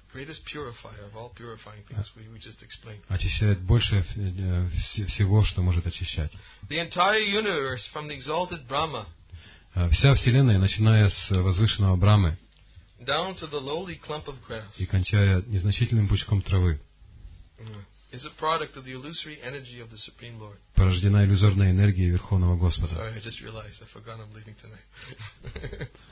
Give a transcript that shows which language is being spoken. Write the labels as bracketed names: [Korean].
[English] Greatest purifier of all purifying things we just explained. [Russian] Очищает больше всего, что может очищать. [English] The entire universe from the exalted Brahma. [Russian] Вся вселенная, начиная с возвышенного Брахмы. [English] Down to the lowly clump of grass. [Russian] И кончая незначительным пучком травы. [English] Is a product of the illusory energy of the Supreme Lord. [Russian] Порождена иллюзорной энергией Верховного Господа. [English] Sorry, I just realized I forgot I'm leaving tonight.